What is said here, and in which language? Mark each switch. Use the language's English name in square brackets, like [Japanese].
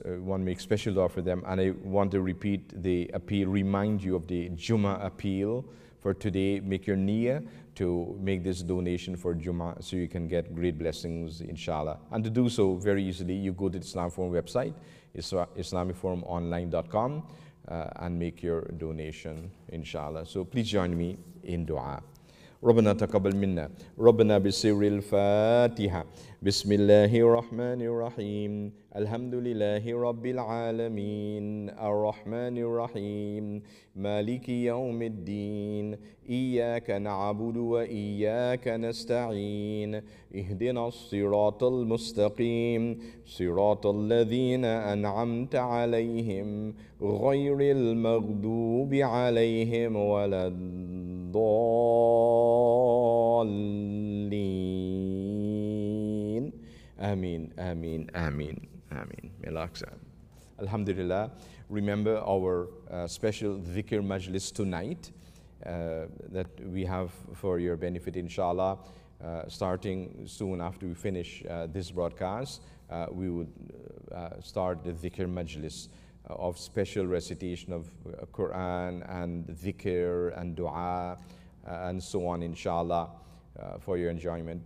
[English] One make special dua for them, and I want to repeat the appeal, remind you of the Jummah appeal for today. Make your niyyah to make this donation for Jummah so you can get great blessings, inshallah. And to do so very easily, you go to the Islam Forum website, islamicforumonline.com, and make your donation, inshallah. So please join me in dua. [Arabic] ربنا تقبل منا ربنا بسر الفاتحة بسم الله الرحمن الرحيم الحمد لله رب العالمين الرحمن الرحيم مالك يوم الدين إياك نعبد وإياك نستعين اهدنا الصراط المستقيم صراط الذين أنعمت عليهم غير المغضوب عليهم ولا الضالين آمين آمين آمين آمين ملاكسان الحمد لله. [English] Remember our special dhikr majlis tonight that we have for your benefit, inshallah. Starting soon after we finish this broadcast, we would start the dhikr majlis of special recitation of Quran and dhikr and dua and so on, inshallah, for your enjoyment.